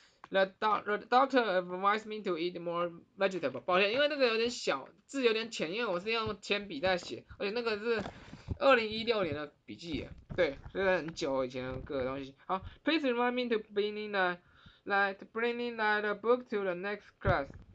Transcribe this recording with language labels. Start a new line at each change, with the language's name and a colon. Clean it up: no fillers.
English: The doctor advised me to eat more vegetable.
Chinese: 抱歉，因为那个有点小，字有点浅，因为我是用铅笔在写，而且那个是2016年的笔记，对，这是很久以前的各个东西。
English: 好 ，please remind me to bring in the book to the next class.